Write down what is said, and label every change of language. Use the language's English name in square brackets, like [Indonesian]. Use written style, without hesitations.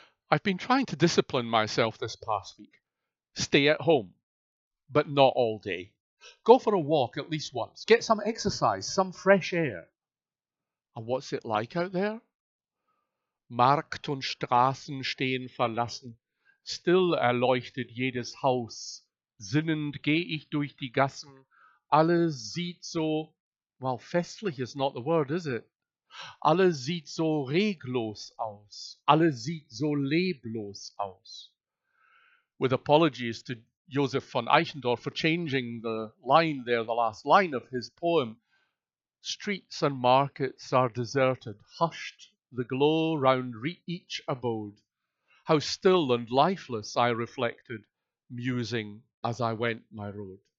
[English] I've been trying to discipline myself this past week. Stay at home, but not all day. Go for a walk at least once. Get some exercise, some fresh air. And what's it like out there? [German] Markt und Straßen stehen verlassen. Still erleuchtet jedes Haus. Sinnend gehe ich durch die Gassen. Alles sieht so... [English] Well, festlich is not the word, is it? [German] Alles sieht so reglos aus. Alles sieht so leblos aus. [English] With apologies to Joseph von Eichendorff for changing the line there, the last line of his poem. Streets and markets are deserted, hushed the glow round each abode. How still and lifeless I reflected, musing as I went my road.